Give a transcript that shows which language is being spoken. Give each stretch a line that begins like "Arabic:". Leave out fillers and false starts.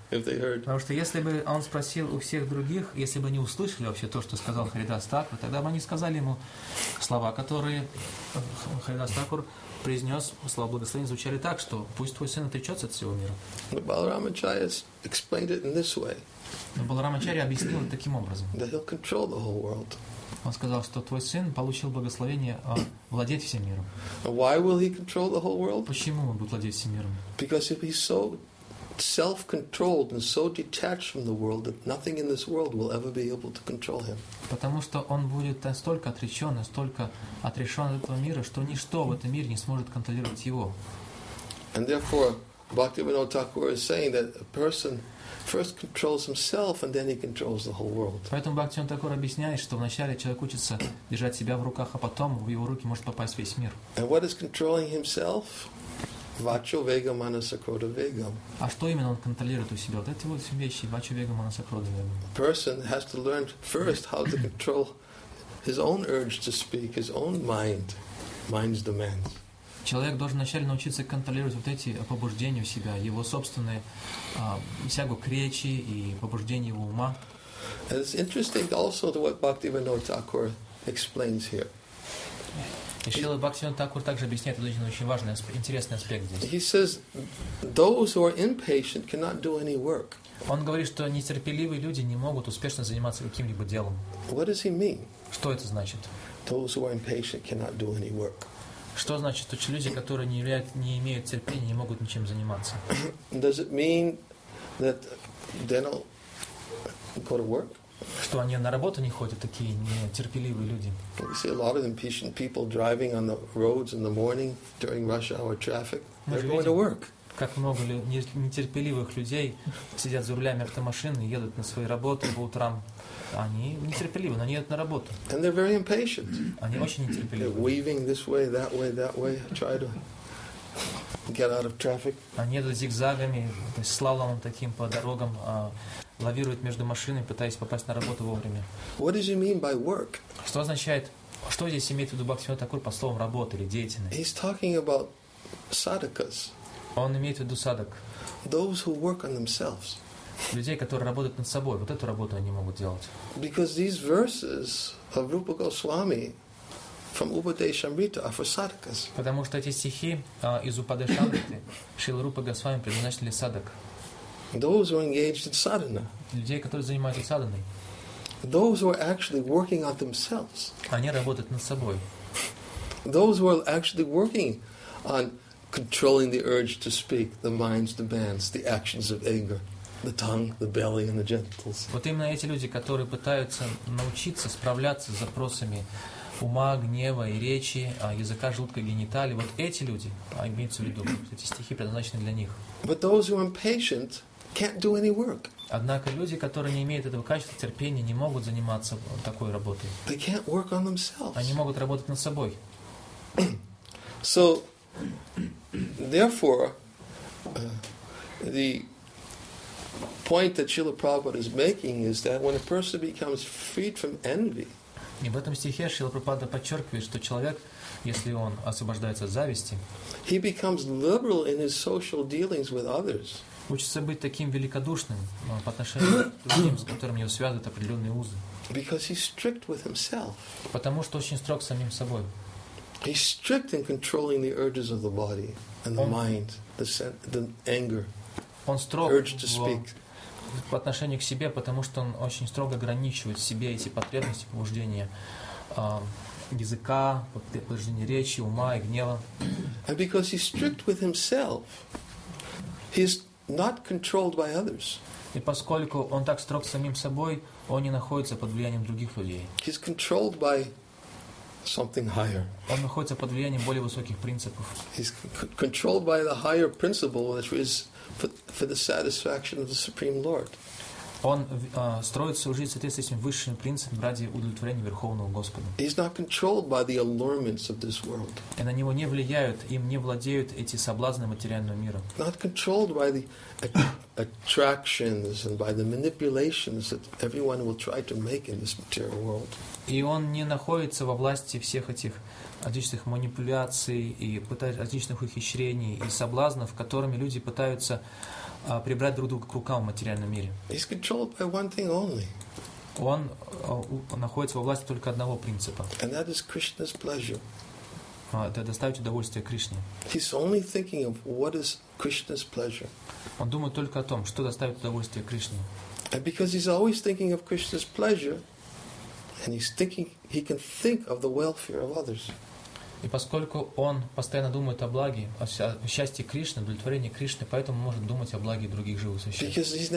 Russian: Потому что если бы он спросил у всех других, если бы они услышали вообще то, что сказал Харидас Такур, тогда бы они сказали ему слова, которые Харидас Такур произнес, слова благословения звучали так, что пусть твой сын отречется от всего мира.
English: But Balaramacharya explained it in this way.
Russian: Но Баларамачарья объяснил это таким образом.
English: That he'll control the whole world.
Russian: Он сказал, что твой сын получил благословение владеть всем миром.
English: Why will he control the whole world?
Russian: Почему он будет владеть всем миром?
English: Because if he's so self-controlled and so detached from the world that nothing in this world will ever be able to control him.
Russian: Потому что он будет настолько отрешен от этого мира, что ничто в этом мире не сможет контролировать его.
English: And therefore, Bhaktivinoda Thakur is saying that a person first controls himself and then he controls the whole world.
Russian: Поэтому Бхактивинода Такур объясняет, что вначале человек учится держать себя в руках, а потом в его руки может попасть весь мир.
English: And what is controlling himself?
Sanskrit: Vacho vega manasa krodha vega.
Russian: А что именно он контролирует у себя? Вот эти вот вещи,
Sanskrit: vacho vega manasa krodha vega.
English: Person has to learn first how to control his own urge to speak, his own mind, mind's demands.
Russian: Человек должен вначале научиться контролировать вот эти побуждения у себя, его собственные всягу к речи и побуждения его ума.
English: And it's interesting also to what Bhaktivinoda Thakur explains here.
Russian: И Шрила Бхактивинода Такур также объясняет этот очень важный, интересный аспект здесь.
English: He says, those who are impatient cannot do any work.
Russian: Он говорит, что нетерпеливые люди не могут успешно заниматься каким-либо делом.
English: What does he mean?
Russian: Что это значит?
English: Those who are impatient cannot do any work.
Russian: Что значит, что люди, которые не имеют терпения, не могут ничем заниматься?
English: Does it mean that they don't go to work?
Russian: Что они на работу не ходят, такие нетерпеливые люди.
English: We see a lot of impatient people driving on the roads in the morning during rush hour traffic. They're going to work.
Russian: Как много нетерпеливых людей сидят за рулями автомашин и едут на свои работы по утрам. Они нетерпеливы, но они едут на работу.
English: And they're very impatient.
Russian: Они очень нетерпеливы.
English: They're weaving this way, that way, that way, try to get out of traffic.
Russian: Они едут зигзагами, то есть слаломом таким по дорогам, лавируют между машинами, пытаясь попасть на работу вовремя.
English: What does he mean by work?
Russian: Что означает, что здесь имеет в виду Бхактивинода Такур по словам работа или деятельность?
English: He's talking about sadhakas.
Russian: Он имеет в виду садак.
English: Those who work on themselves.
Russian: Людей, которые работают над собой, вот эту работу они могут делать.
English: Because these verses of Rupa Goswami from Upadeshamrita are for sadhakas.
Russian: Потому что эти стихи из Упадешамриты Шрила Рупа Госвами предназначены для садак.
English: Those who are engaged in sadhana.
Russian: Людей, которые занимаются садханой.
English: Those who are actually working on themselves.
Russian: Они работают над собой.
English: Those who are actually working on controlling the urge to speak, the mind's demands, the actions of anger, the tongue, the belly, and the genitals.
Russian: Вот именно эти люди, которые пытаются научиться справляться с запросами ума, гнева и речи, языка, желудка, гениталии. Вот эти люди, имеются в виду, эти стихи предназначены для них.
English: But those who are impatient can't do any work.
Russian: Однако люди, которые не имеют этого качества терпения, не могут заниматься такой работой.
English: They can't work on themselves.
Russian: Они могут работать над собой.
English: So, therefore, the point that Srila Prabhupada is making is that when a person becomes freed from envy.
Russian: И в этом стихе Шрила Прабхупада подчеркивает, что человек, если он освобождается от зависти,
English: he becomes liberal in his social dealings with others.
Russian: Учится быть таким великодушным по отношению к другим, с которыми его связывают определенные узы.
English: Because he's strict with himself.
Russian: Потому что очень строг с самим собой.
English: He's strict in controlling the urges of the body and the mind, the anger, urge to speak.
Russian: По отношению к себе, потому что он очень строго ограничивает в себе эти потребности, побуждения языка, побуждения речи, ума и гнева.
English: And because he's strict with himself, he's not controlled by others.
Russian: И поскольку он так строг с самим собой, он не находится под влиянием других людей.
English: He's controlled by something higher.
Russian: Он находится под влиянием более высоких принципов.
English: He's controlled by the higher principle, which is for the satisfaction of the Supreme Lord.
Russian: Он строит свою жизнь в соответствии с этим высшим принципом ради удовлетворения Верховного Господа.
English: He's not controlled by the allurements of this world.
Russian: И на него не влияют, им не владеют эти соблазны материального мира.
English: Not controlled by the attractions and by the manipulations that everyone will try to make in this material world.
Russian: И он не находится во власти всех этих различных манипуляций и различных ухищрений и соблазнов, которыми люди пытаются прибрать друг друга к рукам в материальном мире.
English: He's controlled by one thing only.
Russian: Он находится во власти только одного принципа.
English: And that is Krishna's pleasure.
Russian: Это доставить удовольствие Кришне.
English: He's only thinking of what is Krishna's pleasure.
Russian: Он думает только о том, что доставит удовольствие Кришне.
English: And because he's always thinking of Krishna's pleasure, and he's thinking, he can think of the welfare of others.
Russian: И поскольку он постоянно думает о благе, о счастье Кришны, удовлетворении Кришны, поэтому может думать о благе других живых существ.